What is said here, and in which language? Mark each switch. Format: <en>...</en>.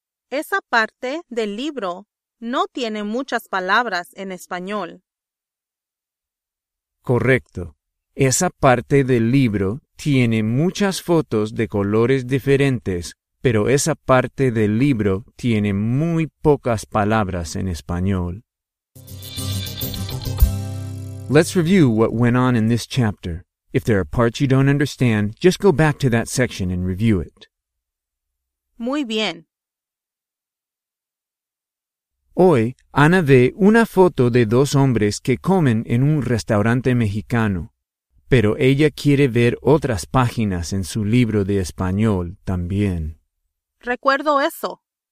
<es>Esa parte del libro no tiene muchas palabras en español. Correcto. Esa parte del libro tiene muchas fotos de colores diferentes, pero esa parte del libro tiene muy pocas palabras en español.</es> <en>Let's review what went on in this chapter. If there are parts you don't understand, just go back to that section and review it.</en> <es>Muy bien. Hoy, Ana ve una foto de dos hombres que comen en un restaurante mexicano, pero ella quiere ver otras páginas en su libro de español también. Recuerdo eso.</es>